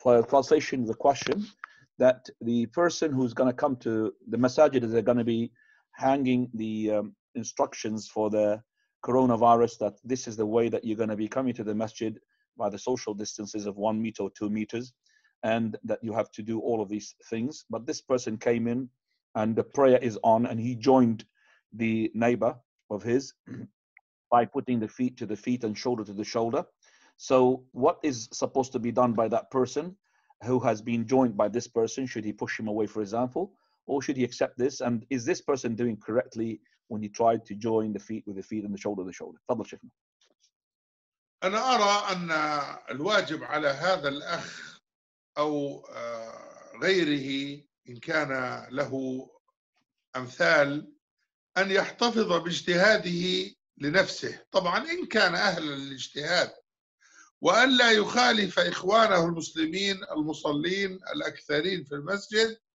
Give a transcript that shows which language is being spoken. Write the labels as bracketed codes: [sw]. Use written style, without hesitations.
[en] translation the question that the person who's going to come to the masajid is going to be hanging the instructions for the coronavirus that this is the way that you're going to be coming to the masjid by the social distances of 1 meter or 2 meters and that you have to do all of these things. But this person came in and the prayer is on and he joined the neighbor of his by putting the feet to the feet and shoulder to the shoulder. So what is supposed to be done by that person who has been joined by this person? Should he push him away, for example? Or should he accept this? And is this person doing correctly when he tried to join the feet with the feet and the shoulder to the shoulder? [ar] تفضل شيخنا. أنا أرى أن الواجب على هذا الأخ أو غيره إن كان له أمثال أن يحتفظ باجتهاده لنفسه. طبعاً إن كان أهل الاجتهاد وأن لا يخالف إخوانه المسلمين المصلين الأكثرين في المسجد.